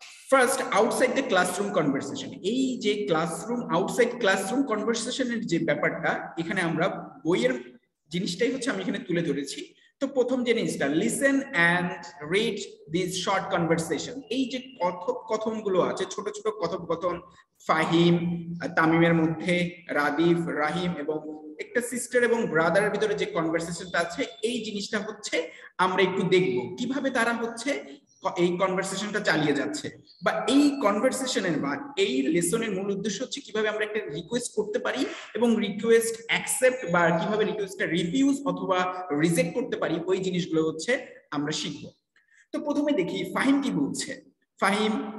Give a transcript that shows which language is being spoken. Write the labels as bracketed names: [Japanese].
[English] First, outside the classroom conversation. [Bangla] এই যে [English] classroom outside classroom conversation [Bangla] এর যে ব্যাপারটা এখানে আমরা বইয়ের জিনিসটাই হচ্ছে আমি এখানে তুলে ধরেছি। তো প্রথম যে জিনিসটা [English] listen and read this short conversation. [Bangla] এই যে কথোপকথনগুলো আছে ছোট ছোট কথোপকথন ফাহিম তামিমের মধ্যে রাদিফ রাহিম এবং একটা সিস্টার এবং ব্রাদারের ভিতরে যে কনভারসেশনটা আছে এই জিনিসটা হচ্ছে আমরা একটু দেখব কিভাবে তারা হচ্ছে এই কনভারসেশনটা চালিয়ে যাচ্ছে বা এই কনভারসেশনের বা এই লেসনের মূল উদ্দেশ্য হচ্ছে কিভাবে আমরা একটা রিকোয়েস্ট করতে পারি এবং রিকোয়েস্ট অ্যাকসেপ্ট বা কিভাবে রিকোয়েস্টটা রিফিউজ অথবা রিজেক্ট করতে পারি ওই জিনিসগুলো হচ্ছে আমরা শিখব তো প্রথমে দেখি ফাহিম কি বলছে ফাহিম